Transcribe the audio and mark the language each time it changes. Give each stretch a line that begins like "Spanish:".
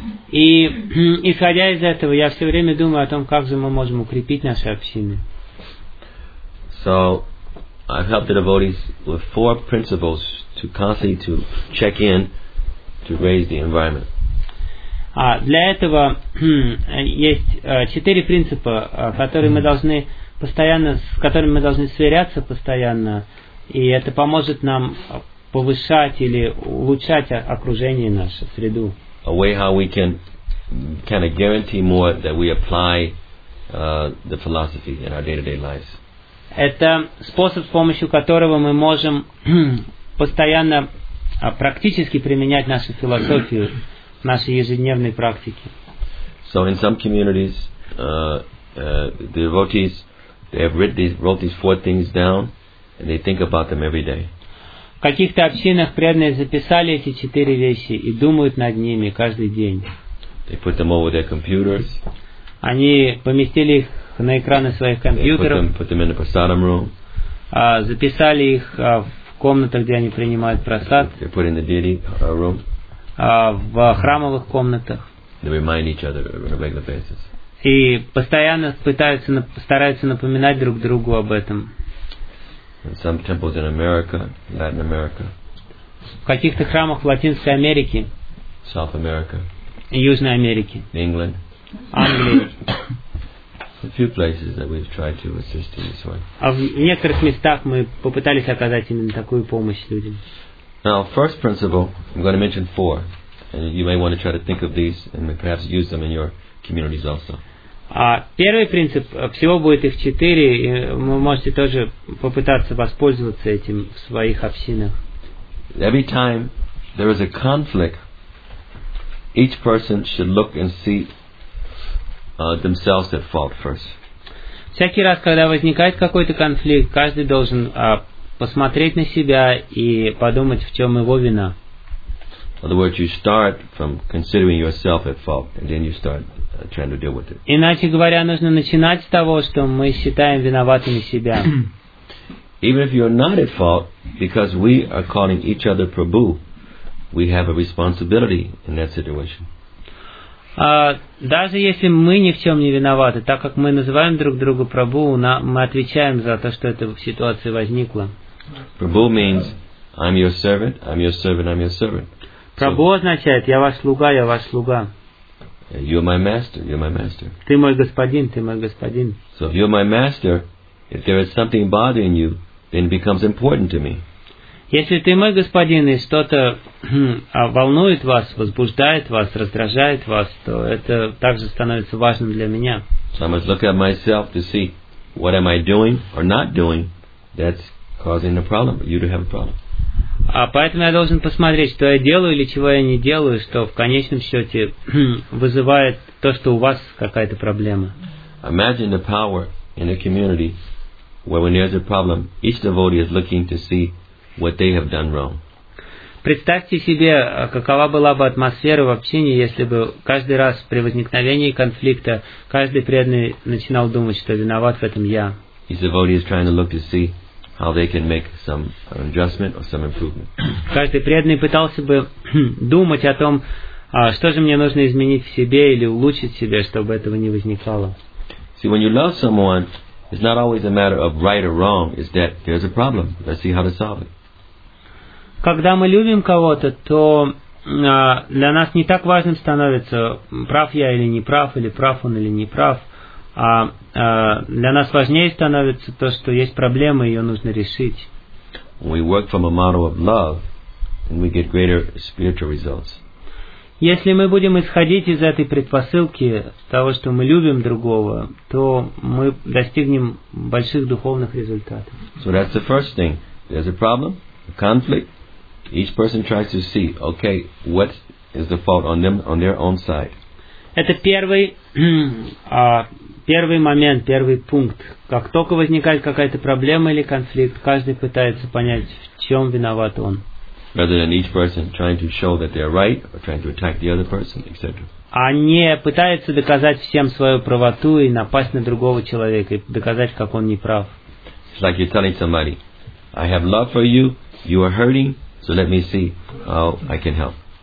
Russian: И исходя из этого, я все время думаю о том, как же мы можем укрепить наши общины.
English: So, I've helped the devotees with four principles to constantly to check in to raise the environment.
Russian: А для этого есть четыре принципа, которые мы должны постоянно, с которыми мы должны сверяться постоянно, и это поможет нам повышать или улучшать окружение наше, среду.
English: A way how we can kind of guarantee more that we apply the philosophy in our day-to-day lives.
Russian: Это способ, с помощью которого мы можем постоянно практически применять нашу философию в нашей ежедневной практике.
English: So in some communities, the devotees they have wrote these four things down, and they think about them every day.
Russian: В каких-то общинах преданные записали эти четыре вещи и думают над ними каждый день.
English: They put them over their computers.
Russian: Они поместили их на экраны своих компьютеров.
English: They put them in the prasadam room.
Russian: Записали их в комнатах, где они принимают прасад.
English: They put in the deity room.
Russian: В храмовых комнатах.
English: They remind each other on a regular basis.
Russian: И постоянно стараются напоминать друг другу об этом.
English: In some temples in America, Latin America.
Russian: В каких-то храмах в Латинской Америке.
English: South America.
Russian: Южной Америке.
English: England.
Russian: Англии.
English: A few places that we've tried to assist in this way.
Russian: А в некоторых местах мы попытались оказать именно такую помощь людям.
English: Now, first principle, I'm going to mention four. And you may want to try to think of these and perhaps use them in your communities also.
Russian: Первый принцип, всего будет их четыре, и вы можете тоже попытаться воспользоваться этим в своих общинах.
English: Every time there is a conflict, each person should look and see themselves at fault first.
Russian: Всякий раз, когда возникает какой-то конфликт, каждый должен посмотреть на себя и подумать, в чем его вина.
English: In other words, you start from considering yourself at fault, and then you start trying to deal with it.
Russian: Иначе говоря, нужно начинать с того, что мы считаем виноватыми себя.
English: Even if you're not at fault, because we are calling each other Prabhu, we have a responsibility in that situation.
Russian: Даже если мы ни в чем не виноваты, так как мы называем друг друга Прабу, мы отвечаем за то, что эта ситуация возникла.
English: Prabhu means I'm your servant, I'm your servant, I'm your servant.
Russian: Прабу означает я ваш слуга, я ваш слуга.
English: You're my master, you're my master.
Russian: Ты мой господин, ты мой господин.
English: So if you're my master, if there is something bothering you, then it becomes important to me.
Russian: Если ты мой господин и что-то волнует вас, возбуждает вас, раздражает вас, то это также становится важным для меня.
English: So I must look at myself to see what am I doing or not doing that's causing a problem, you to have a problem.
Russian: А поэтому я должен посмотреть, что я делаю или чего я не делаю, что в конечном счете вызывает то, что у вас какая-то проблема.
English: Imagine the power in a community where when there's a problem, each devotee is looking to see what they have done wrong.
Russian: Представьте себе, какова была бы атмосфера в общине, если бы каждый раз при возникновении конфликта каждый преданный начинал думать, что виноват в этом я.
English: Each devotee is trying to look to see how they can make some adjustment or some improvement.
Russian: Каждый преданный пытался бы думать о том, что же мне нужно изменить в себе или улучшить в себе, чтобы этого не возникало.
English: See, when you love someone, it's not always a matter of right or wrong, it's that there's a problem. Let's see how to solve it.
Russian: Когда мы любим кого-то, то для нас не так важным становится, прав я или не прав, или прав он или не прав. А для нас важнее становится то, что есть проблема, ее нужно решить.
English: We work from a model of love, and we get greater spiritual results.
Russian: Если мы будем исходить из этой предпосылки того, что мы любим другого, то мы достигнем больших духовных результатов.
English: So that's the first thing. There's a problem, a conflict. Each person tries to see, okay, what is the fault on them, on their own side.
Russian: Это первый момент, первый пункт. Как только возникает какая-то проблема или конфликт, каждый пытается понять, в чем виноват он.
English: Rather than each person trying to show that they're right or trying to attack the other person, etc.
Russian: А не пытается доказать всем свою правоту и напасть на другого человека и доказать, как он не прав.
English: It's like you're telling somebody, I have love for you, you are hurting, so let me see how I can help.